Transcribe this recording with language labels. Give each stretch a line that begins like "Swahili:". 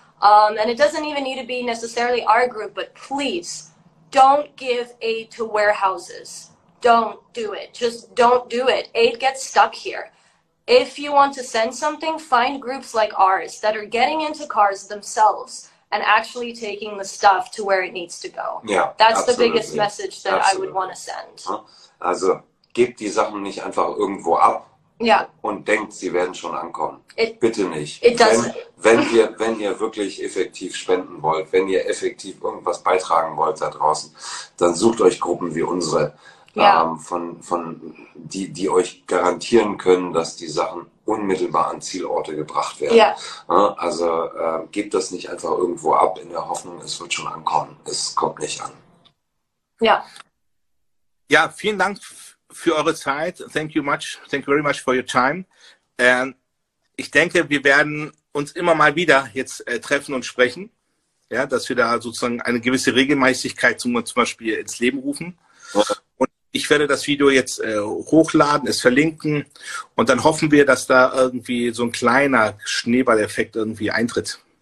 English: And it doesn't even need to be necessarily our group, but please don't give aid to warehouses. Don't do it. Just don't do it. Aid gets stuck here. If you want to send something, find groups like ours that are getting into cars themselves and actually taking the stuff to where it needs to go. Yeah, that's absolutely the biggest message that absolutely I would want to send.
German: Also, gebt die Sachen nicht einfach irgendwo ab.
English: Yeah.
German: Und denkt, sie werden schon ankommen. Bitte nicht.
English: It doesn't.
German: Wenn ihr wirklich effektiv spenden wollt, wenn ihr effektiv irgendwas beitragen wollt da draußen, dann sucht euch Gruppen wie unsere.
English: Yeah.
German: Die euch garantieren können, dass die Sachen unmittelbar an Zielorte gebracht werden.
English: Yeah.
German: Also gebt das nicht einfach irgendwo ab in der Hoffnung, es wird schon ankommen. Es kommt nicht an. Ja.
English: Yeah.
German: Ja, vielen Dank für eure Zeit.
English: Thank you very much for your time.
German: Ich denke, wir werden uns immer mal wieder jetzt treffen und sprechen. ja, dass wir da sozusagen eine gewisse Regelmäßigkeit zum Beispiel ins Leben rufen. Und ich werde das Video jetzt hochladen, es verlinken und dann hoffen wir, dass da irgendwie so ein kleiner Schneeballeffekt irgendwie eintritt.